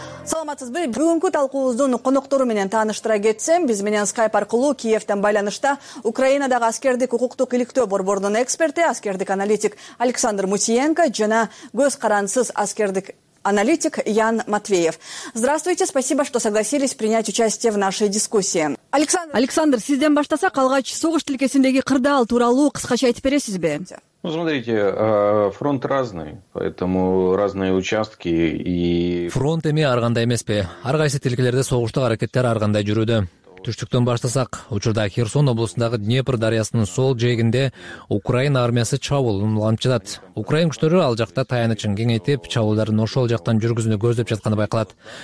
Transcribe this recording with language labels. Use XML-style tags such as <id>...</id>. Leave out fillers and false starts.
<ky>Саламатсызбы. Бүгүнкү талкуубуздун коноктору менен тааныштыра кетсем, биз менен Skype аркылуу Киевден байланышта Украинадагы аскердик укуктук иликтөө борборунун эксперти, аскердик аналитик Александр Мусиенко жана көз карансыз аскердик аналитик Ян Матвеев.</ky> <ru>Здравствуйте, спасибо, что согласились принять участие в нашей дискуссии.</ru> <ky>Александр, сизден баштасак, алгач согуш тилкесиндеги кырдаал тууралуу кыскача айтып бересизби?</ky> <ru>Ну, смотрите, фронт разный, поэтому разные участки и</ru> <ky>фронт эми ар кандай эмеспи? Ар кайсы тилкелерде согуштук аракеттер ар кандай жүрүүдө? Түштүктөн баштасак, учурда Херсон облусундагы Днепр дарыясынын сол жээгинде Украина армиясы чабуулун улантып жатат. Украин күчтөрү ал жакта таянычын кеңейтип, чабуулдарын ошол жактан жүргүзүүнү көздөп жатканы байкалат.</ky>